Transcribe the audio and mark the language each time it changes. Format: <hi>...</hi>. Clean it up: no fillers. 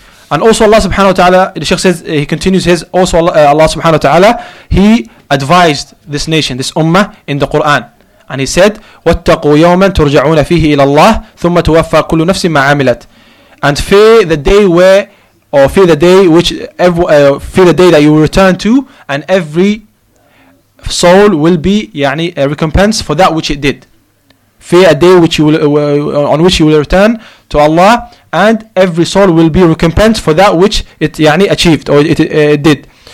<en>And also Allah subhanahu wa ta'ala, the Sheikh says, he continues his, also Allah subhanahu wa ta'ala, he advised this nation, this ummah, in the Quran.</en> <ar>And he said, وَاتَّقُوا يَوْمًا تُرْجَعُونَ فِيهِ إِلَى اللَّهِ ثُمَّ تُوَفَّى كُلُّ نَفْسٍ مَّا عَمِلَتْ.</ar> <en>And fear the day where, or fear the day which, fear the day that you will return to, and every soul will be, يعني, a recompense for that which it did. Fear a day which you will, on which you will return to Allah, and every soul will be recompensed for that which it, يعني, achieved, or it did.</en>